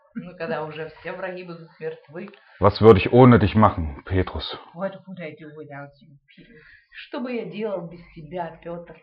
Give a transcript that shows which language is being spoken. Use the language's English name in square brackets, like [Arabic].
[Russian] Ну, когда уже все враги будут мертвы. [German] Was würde ich ohne dich machen, Petrus? [English] What would I do without you, Peter? [Russian] Что бы я делал без тебя, Петр?